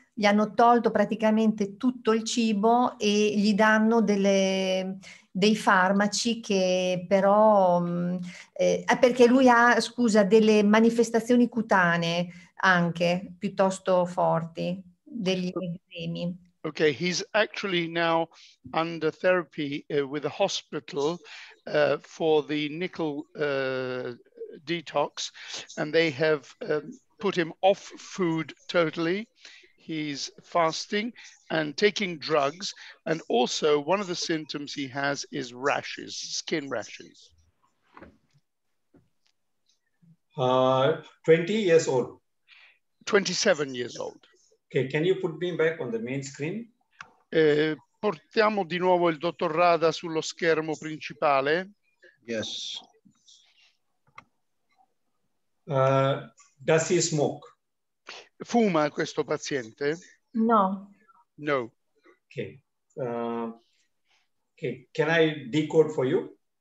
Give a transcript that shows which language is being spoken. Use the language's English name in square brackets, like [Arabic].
[Italian] Gli hanno tolto praticamente tutto il cibo e gli danno dei farmaci che però... perché lui ha, scusa, delle manifestazioni cutanee anche, piuttosto forti, degli edemi. [English] Ok, he's actually now under therapy with a hospital for the nickel detox and they have put him off food totally. He's fasting and taking drugs, and also one of the symptoms he has is rashes, skin rashes. 20 years old. 27 years old. Okay, can you put me back on the main screen? [Italian] Portiamo di nuovo il dottor Rada sullo schermo principale. [English] Yes. Does he smoke? [Italian] Fuma questo paziente? No. No. [English] Okay. Can I decode for you?